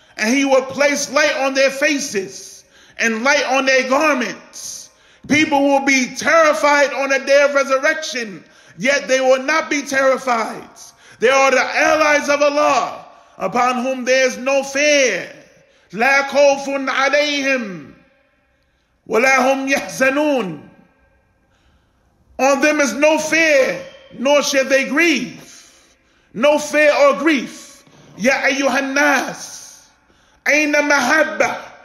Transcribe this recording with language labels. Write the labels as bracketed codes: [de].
[en] And He will place light on their faces and light on their garments. People will be terrified on the day of resurrection, yet they will not be terrified. They are the allies of Allah, upon whom there is no fear. [ar] لا خوف عليهم ولا هم يحزنون. [en] On them is no fear, nor shall they grieve. No fear or grief. [ar] يا أيها الناس أين المحبة.